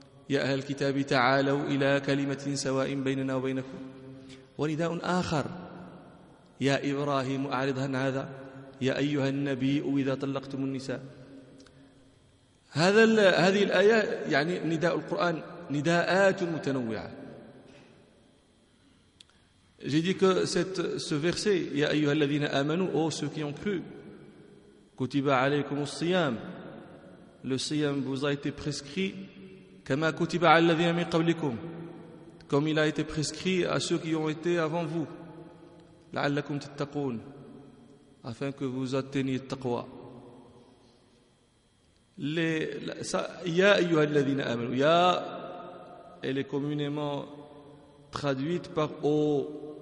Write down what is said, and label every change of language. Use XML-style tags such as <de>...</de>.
<ar>يا أهل الكتاب تعالوا إلى كلمة سواء بيننا وبينكم. ونداء آخر: يا إبراهيم أعرض عن هذا. يا أيها النبي إذا طلقتم النساء. هذه الآية يعني نداء القرآن، نداءات متنوعة.</ar> <fr>J'ai dit que ce verset</fr> <ar>يا أيها الذين آمنوا</ar> <fr>أو ceux qui ont cru</fr> <ar>كتب عليكم الصيام. Le صيام</ar> <fr>vous a été prescrit</fr> <ar>كما كتب على الذين من قبلكم.</ar> <fr>Comme il a été prescrit à ceux qui ont été avant vous.</fr> <ar>لعلكم تتقون.</ar> <fr>Afin que vous atteigniez taqwa.</fr> <ar>Ya ayyuha alladhina amanu.</ar> <fr>Ya, elle est communément traduite par O.</fr>